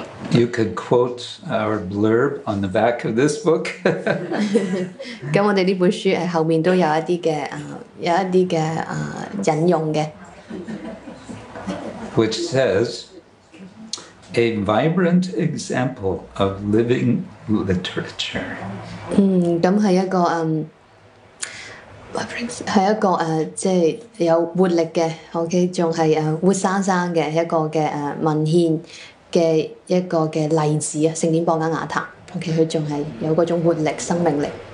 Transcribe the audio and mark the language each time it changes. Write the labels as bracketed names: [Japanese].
[English] You could quote our blurb on the back of this book. [Cantonese] 咁我哋呢本書後面都有一啲嘅引用嘅。 [English] Which says, a vibrant example of living literature. [Cantonese] 咁係一個係一個即係有活力嘅 ，OK， 仲係活生生嘅一個嘅文獻嘅一個嘅例子啊，聖典博加雅談 ，OK， 佢仲係有嗰種活力、生命力。